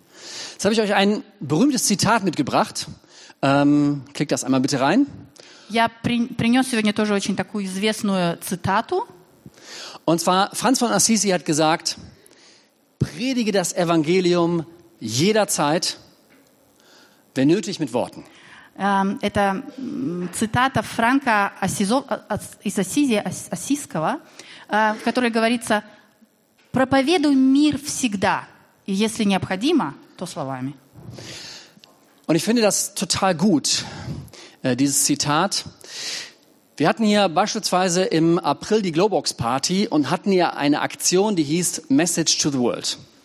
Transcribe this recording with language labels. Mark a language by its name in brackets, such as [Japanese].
[German] Jetzt habe ich euch ein berühmtes Zitat mitgebracht. Klick das einmal bitte rein. [Russian] Я принес сегодня тоже очень такую известную цитату. [German] Und zwar Franz von Assisi hat gesagt: Predige das Evangelium jederzeit, wenn nötig mit Worten. [Russian] Это цитата Франка Ассизского, в которой говорится: Проповедуй мир всегда, и если необходимо, то словами. [German] Und ich finde das total gut, dieses Zitat. Wir hatten hier beispielsweise im April die Globox Party und hatten ja eine Aktion, die hieß Message to the World.